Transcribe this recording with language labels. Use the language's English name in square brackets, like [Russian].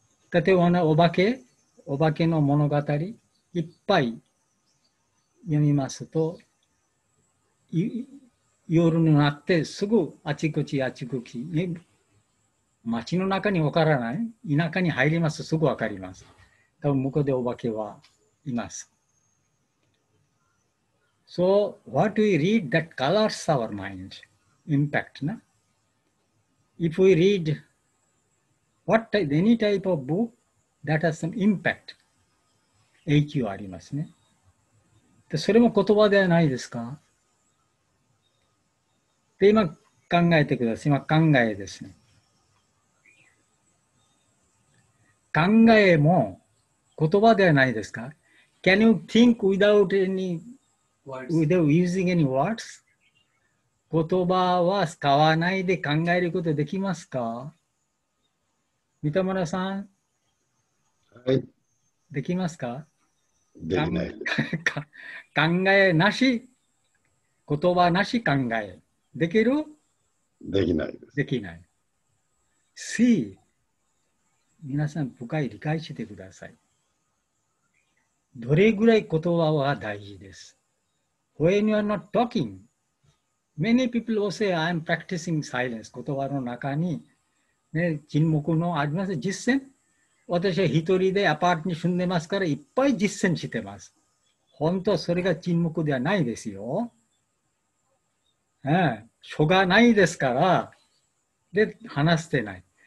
[Japanese] 例えばね、お化けの物語、いっぱい読みますと、夜になってすぐあちこちあちこち、ね、町の中に分からない、田舎に入りますすぐ分かります。多分向こうでお化けはいます。 [English] So, what we read that colors our mind, impact, na? If we read what type, any type of book, that has some impact, [Japanese] 影響ありますね。で、それも言葉ではないですか？で、今考えてください。今考えですね。考えも言葉ではないですか？ [English] Can you think without any... Without using any words? [Japanese] 言葉は使わないで考えることできますか？三田村さん、はい、できますか？できない。考えなし、言葉なし考え。できる？できないです。できない。 See、皆さん深い理解してください。どれぐらい言葉は大事です。 [English] When you are not talking, many people will say, I am practicing silence. [Japanese] 言葉の中に、ね、沈黙のあります。実践。私は一人でアパートに住んでますから、いっぱい実践してます。本当はそれが沈黙ではないですよ。ね、しょうがないですから、で、話してない。